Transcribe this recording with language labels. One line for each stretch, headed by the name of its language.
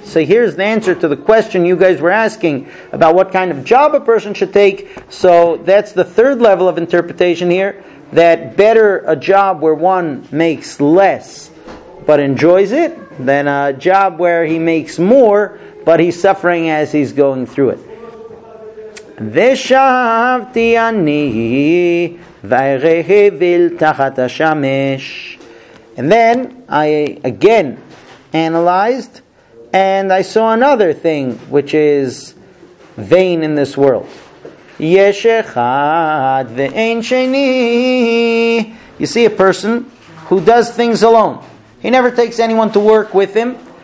English: So here's the answer to the question you guys were asking about what kind of job a person should take. So that's the third level of interpretation here, that better a job where one makes less but enjoys it than a job where he makes more but he's suffering as he's going through it.
Hebrew: ושבתי אני וירא הבל תחת השמש.
English: And then I again analyzed, and I saw another thing which is vain in this world.
Hebrew: Yesh echad ve'ein sheni.
English: You see a person who does things alone. He never takes anyone to work with him.